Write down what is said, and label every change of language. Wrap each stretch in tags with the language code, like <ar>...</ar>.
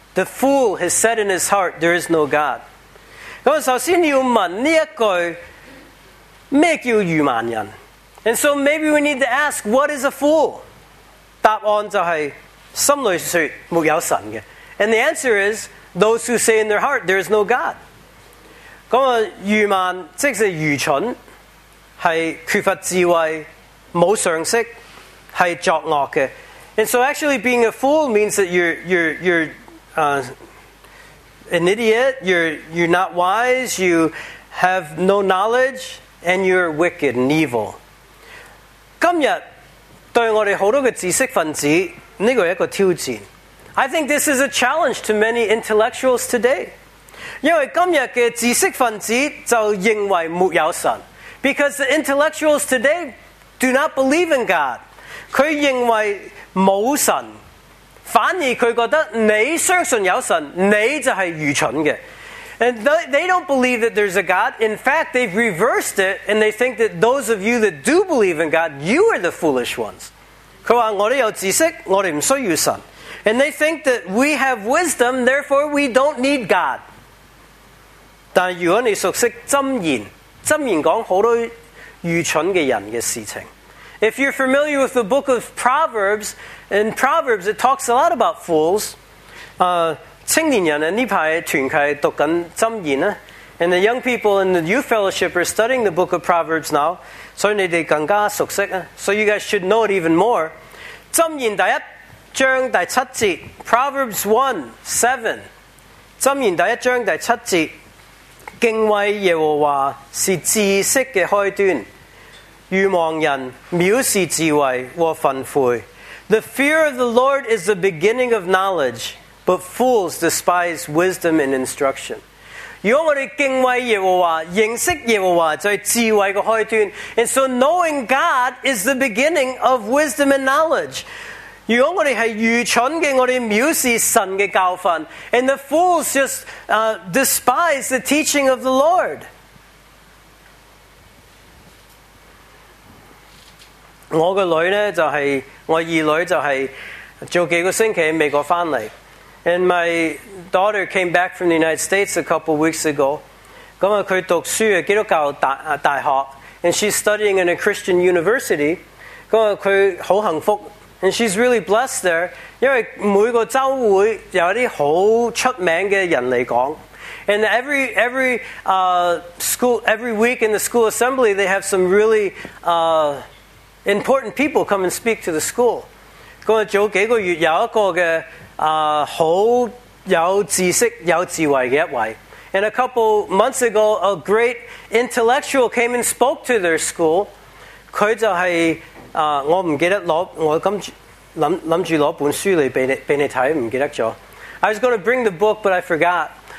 <en>The fool has said in his heart, there is no God.</en> <yue>咁首先要问呢一句咩叫愚蛮人</yue> <en>And so maybe we need to ask, what is a fool?</en> <yue>答案就是心里说没有神嘅</yue> <en>And the answer is, those who say in their heart, there is no God.</en> <yue>咁啊，愚慢即是愚蠢，是缺乏智慧，冇常识，是作恶的。</yue> <en>And so actually being a fool means that you're an idiot, you're not wise, you have no knowledge, and you're wicked and evil.</en> <yue>今日对我哋好多嘅知识分子，呢个系一个挑战。</yue> <en>I think this is a challenge to many intellectuals today.</en> <yue>因为今日嘅知识分子就认为没有神。</yue> <en>Because the intellectuals today do not believe in God.</en> <yue>佢认为冇神，反而佢觉得你相信有神，你就系愚蠢嘅。</yue> <en>And they don't believe that there's a God. In fact, they've reversed it, and they think that those of you that do believe in God, you are the foolish ones.</en> <yue>佢话我哋有知识，我哋唔需要神。</yue> <en>And they think that we have wisdom, therefore we don't need God.</en> <yue>但如果你熟悉箴言，箴言讲好多愚蠢嘅人嘅事情。</yue> <en>If you're familiar with the book of Proverbs, in Proverbs it talks a lot about fools.</en> <yue>青年人呢排团契读紧箴言啊，</yue> <en>and the young people in the youth fellowship are studying the book of Proverbs now,</en> <yue>所以你哋更加熟悉啊。</yue> <en>So you guys should know it even more.</en> <yue>箴言第一章第七节 ，</yue> <en>Proverbs 1:7，</en> <yue>箴言第一章第七节，敬畏耶和华是知识嘅开端。愚妄人藐视智慧和粪秽。</yue> <en>The fear of the Lord is the beginning of knowledge, but fools despise wisdom and instruction.</en> <yue>如果我们敬畏耶和华，认识耶和华就是智慧的开端。</yue> <en>And so knowing God is the beginning of wisdom and knowledge.</en> <yue>如果我们是愚蠢的，我们藐视神的教训。</yue> <en>And the fools just despise the teaching of the Lord.</en> <yue>我的女呢就是我二女就是做几个星期在美国回来。</yue> <en>And my daughter came back from the United States a couple weeks ago.</en> <yue>她读书基督教 大学</yue> <en>And she's studying in a Christian university.</en> <yue>她很幸福。</yue> <en>And she's really blessed there.</en> <yue>因为每个周会有一些很出名的人来讲。</yue> <en>And every week in the school assembly, they have some really, important people come and speak to the school.</en> <yue>咁啊，早幾個月有一個嘅好有知識、有智慧嘅一位。</yue> <en>And a couple months ago, a great intellectual came and spoke to their school.</en> <yue>佢就係我唔記得攞，我今諗住攞本書嚟俾你睇，唔記得咗。</yue> <en>I was going to bring the book, but I forgot.</en>